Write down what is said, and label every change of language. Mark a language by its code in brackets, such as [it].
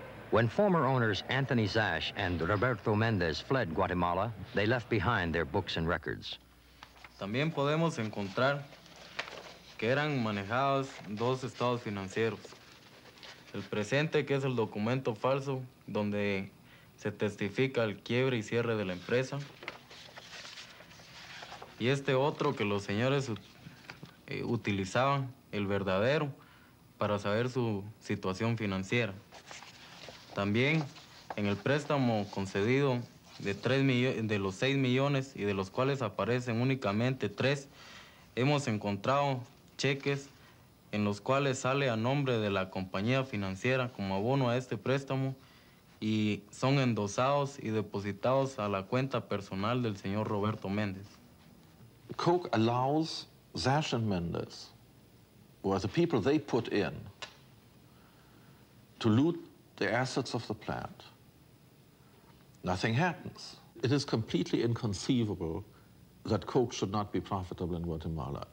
[en] When former owners Anthony Zash and Roberto Mendez fled Guatemala, they left behind their books and records. [es] También podemos encontrar que eran manejados dos estados financieros. El presente, que es el documento falso donde se testifica el quiebre y cierre de la empresa. Y este otro que los señores utilizaban, el verdadero, para saber su situación financiera. También en el préstamo concedido de los 6 millones y de los cuales aparecen únicamente 3, hemos encontrado cheques en los cuales sale a nombre de la compañía financiera como abono a este préstamo y son endosados y depositados a la cuenta personal del señor Roberto Méndez. [en] Coke allows Zash and Mendez, or the people they put in, to loot the assets of the plant. Nothing happens. It is completely inconceivable that Coke should not be profitable in Guatemala.